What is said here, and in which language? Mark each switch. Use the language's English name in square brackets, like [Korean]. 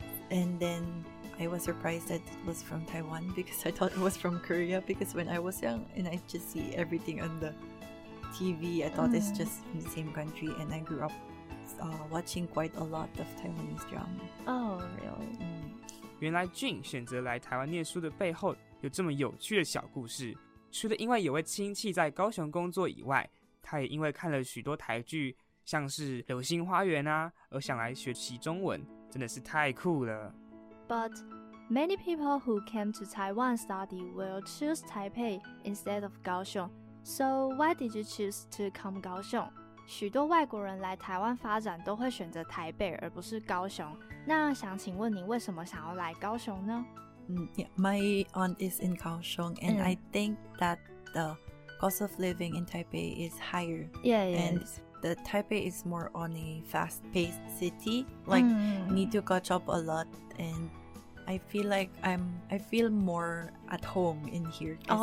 [English] And then I was surprised that it was from Taiwan because I thought it was from Korea, because when I was young and I just see everything on the TV, I thought it's just from the same country, and I grew up watching quite a lot of Taiwanese drama. Oh, really? [Chinese] 原来 Jin 选择来台湾念书的背后有这么有趣的小故事。除了因为有位亲戚在高雄工作以外，他也因为看了许多台剧，像是《流星花园》啊，而想来学习中文，真的是太酷了。 [English] But many people who came to Taiwan study will choose Taipei instead of Kaohsiung. So why did you choose to come Kaohsiung? [Chinese] 许多外国人来台湾发展都会选择台北而不是高雄。那想请问你为什么想要来高雄呢？ [English] My aunt is in Kaohsiung, and I think that the cost of living in Taipei is higher. Yeah, yeah. And the Taipei is more on a fast-paced city. Like, need to catch up a lot. And I feel like I feel more at home in here.